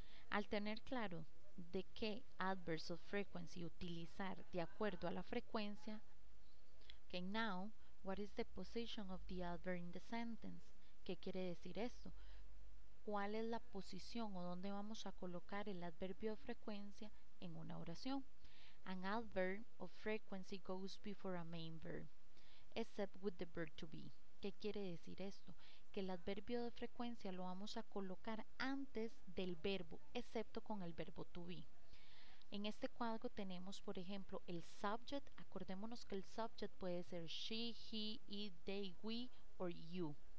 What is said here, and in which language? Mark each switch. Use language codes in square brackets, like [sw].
[es] Al tener claro de qué adverbs of frequency utilizar de acuerdo a la frecuencia, [en] okay, now, what is the position of the adverb in the sentence? [es] ¿Qué quiere decir esto? ¿Cuál es la posición o dónde vamos a colocar el adverbio de frecuencia en una oración? [en] An adverb of frequency goes before a main verb, except with the verb to be. [es] ¿Qué quiere decir esto? Que el adverbio de frecuencia lo vamos a colocar antes del verbo, excepto con el verbo to be. En este cuadro tenemos, por ejemplo, el subject. Acordémonos que el subject puede ser she, he, it, they, we, or you.